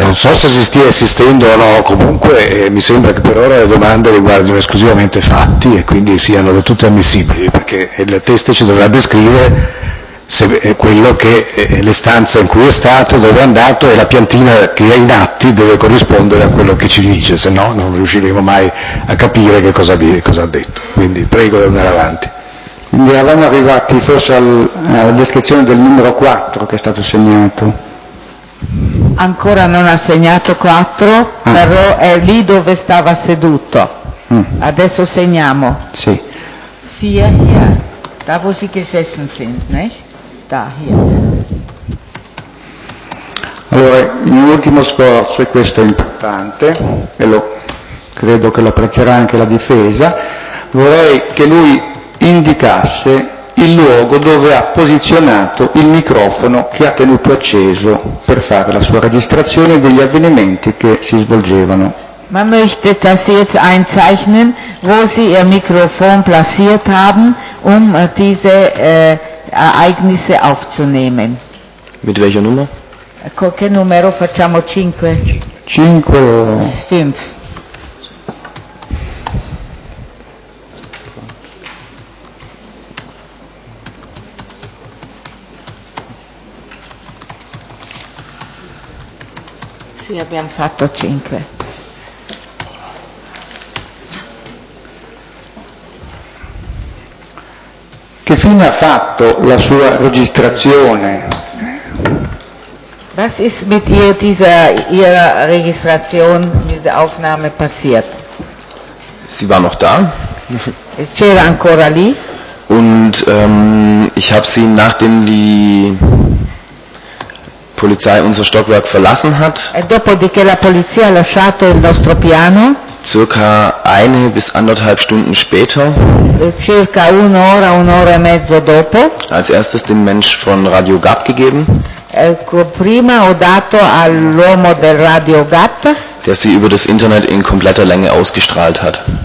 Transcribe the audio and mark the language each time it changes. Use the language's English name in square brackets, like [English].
[Italian] Non so se si stia assistendo o no, comunque mi sembra che per ora le domande riguardino esclusivamente fatti e quindi siano del tutto ammissibili, perché il test ci dovrà descrivere se quello che è le stanze in cui è stato, dove è andato, e la piantina che è in atti deve corrispondere a quello che ci dice, se no non riusciremo mai a capire che cosa dire, cosa ha detto. Quindi prego di andare avanti. Quindi eravamo arrivati forse alla descrizione del numero 4 che è stato segnato. Ancora non ha segnato 4, però è lì dove stava seduto. Adesso segniamo. Sì. [German] Vier hier, da wo Sie gesessen sind, nicht? Da, hier. [Italian] Allora, in un ultimo scorso, e questo è importante, e credo che lo apprezzerà anche la difesa, vorrei che lui indicasse il luogo dove ha posizionato il microfono che ha tenuto acceso per fare la sua registrazione degli avvenimenti che si svolgevano. [German] Ma möchte das jetzt einzeichnen, wo Sie Ihr Mikrofon platziert haben, um diese Ereignisse aufzunehmen. Mit welcher Nummer? [Italian] Con che numero facciamo? 5. 5. 5. Sì, abbiamo fatto 5. Che fine ha fatto la sua registrazione? [German] Was ist mit ihr dieser ihrer Registration mit der Aufnahme passiert? Sie war noch da. [Italian] C'era ancora lì. [German] Und ich habe sie, nachdem die Polizei unser Stockwerk verlassen hat, [Italian] e dopo di che la polizia ha lasciato il nostro piano, [German] circa eine bis anderthalb Stunden später, [Italian] circa un'ora, un'ora e mezzo dopo, [German] als erstes dem Mensch von Radio GAP gegeben, [Italian] ecco, prima ho dato all'uomo del Radio GAP, [German] der sie über das Internet in kompletter Länge ausgestrahlt hat.